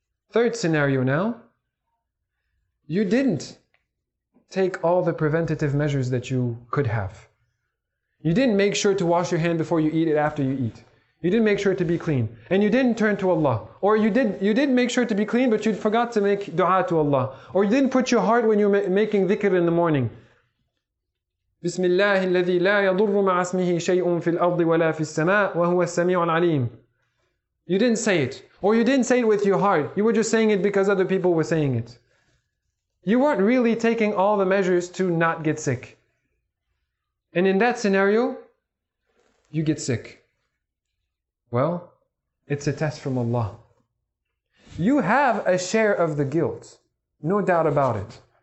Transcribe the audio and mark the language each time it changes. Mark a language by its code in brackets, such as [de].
[en] Third scenario now. You didn't take all the preventative measures that you could have. You didn't make sure to wash your hand before you eat it after you eat. You didn't make sure to be clean. And you didn't turn to Allah. Or you did make sure to be clean, but you forgot to make dua to Allah. Or you didn't put your heart when you were making dhikr in the morning. [ar] Bismillah الذي لا يضر مع اسمه شيء في الأرض ولا في السماء وهو السميع العليم. [en] You didn't say it. Or you didn't say it with your heart. You were just saying it because other people were saying it. You weren't really taking all the measures to not get sick. And in that scenario, you get sick. Well, it's a test from Allah. You have a share of the guilt, no doubt about it.